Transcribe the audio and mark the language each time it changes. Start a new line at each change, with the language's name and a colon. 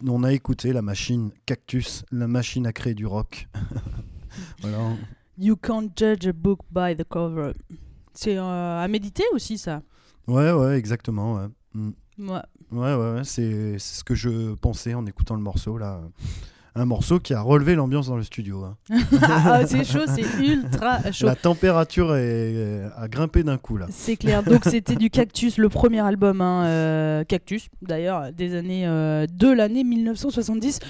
French: Écoutez la machine Cactus, la machine à créer du rock. Voilà.
English: You can't judge a book by the cover.
French: C'est à méditer aussi, ça. Ouais, exactement. Ouais. Mm. Ouais. Ouais, c'est ce que je pensais en écoutant le morceau, là. Un morceau qui a relevé l'ambiance dans le studio. Hein. Ah, c'est chaud, c'est ultra chaud. La température a grimpé d'un coup, là. C'est clair. Donc, c'était du Cactus, le premier album. Hein, Cactus, d'ailleurs, des années, de l'année 1970.